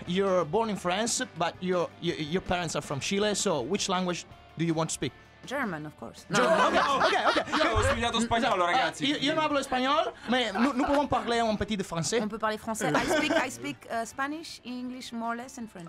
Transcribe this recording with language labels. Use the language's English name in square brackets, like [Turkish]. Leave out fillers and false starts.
[English] You're born in France, but your parents are from Chile. So, which language do you want to speak? German, of course. No. Okay. [Italian] Io avevo studiato spagnolo, ragazzi. Io non parlo spagnolo, ma non possiamo parlare [French] un petit de français. On peut parler français. [English] I speak Spanish, English, more or less, and French.